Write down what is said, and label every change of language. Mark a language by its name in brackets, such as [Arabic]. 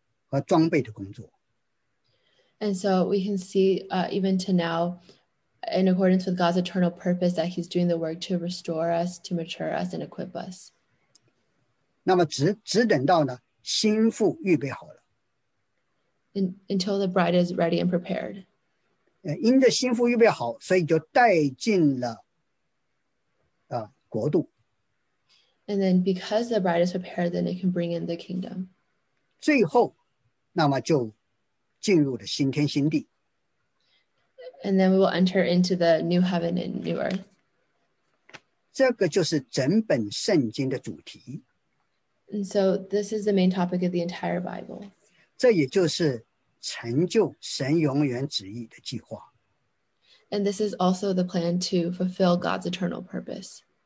[Chinese] 根据神永远的旨意，根据他的计划，神继续在我们当中做恢复、成长和装备的工作。 [English] And so we can see, even to now, in accordance with God's eternal purpose, that He's doing the work to restore us, to mature us, and equip us. [Chinese] 那么只等到呢，心腹预备好了。 [English] Until the bride is ready and prepared. [Chinese] 因着心腹预备好，所以就带进了国度。 [English] And then because the bride is prepared, then it can bring in the kingdom. [Chinese] 最后，那么就进入了新天新地。 [English] And then we will enter into the new heaven and new earth. [Chinese] 这个就是整本圣经的主题。 [English] And so this is the main topic of the entire Bible. [Chinese] 这也就是成就神永远旨意的计划。 [English] And this is also the plan to fulfill God's eternal purpose.